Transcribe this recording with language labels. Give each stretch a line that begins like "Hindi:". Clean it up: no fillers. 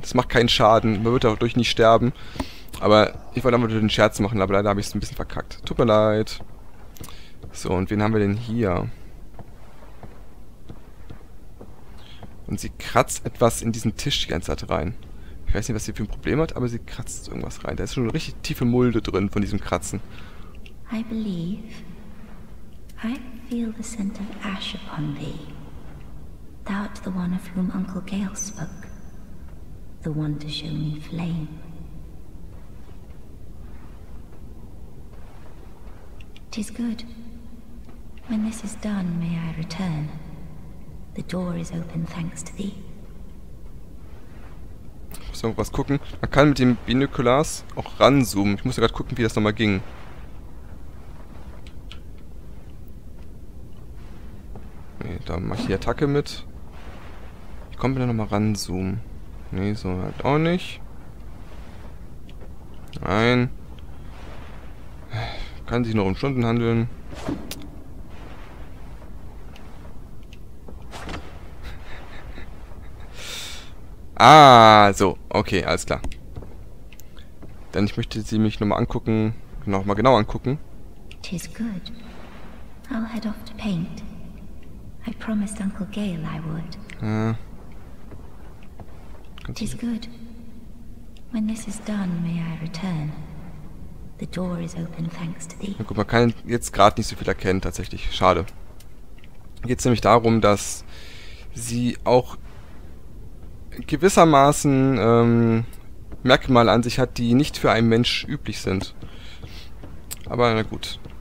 German: Das macht keinen Schaden. Man wird dadurch nicht sterben. Aber ich wollte einfach nur den Scherz machen, aber leider habe ich es ein bisschen verkackt. Tut mir leid. So, und wen haben wir denn hier? Und sie kratzt etwas in diesen Tisch die ganze Zeit rein. Ich weiß nicht, was sie für ein Problem hat, aber sie kratzt irgendwas rein. Da ist schon eine richtig tiefe Mulde drin von diesem Kratzen.
English: I believe. I feel the scent of ash upon thee. Thou art the one of whom Uncle Gale spoke. The one to show me flame. It is good. When this is done, may I return. The door is open, thanks to thee.
German: Ich muss noch was gucken. Man kann mit dem Binoculars auch ranzoomen. Ich muss ja gerade gucken, wie das nochmal ging. Nee, da mache ich die Attacke mit. Ich komme wieder nochmal ranzoomen. Nee, so halt auch nicht. Nein. Kann sich noch um Stunden handeln. Ah, so. Okay, alles klar. Denn ich möchte sie mich nochmal angucken. Nochmal genau angucken.
English: It is good. I'll head off to paint. I promised Uncle Gale I would. It is good. When this is done, may I return. The door is open, thanks to thee.
German: Na gut, man kann jetzt gerade nicht so viel erkennen, tatsächlich. Schade. Geht's nämlich darum, dass sie auch gewissermaßen Merkmale an sich hat, die nicht für einen Mensch üblich sind. Aber na gut.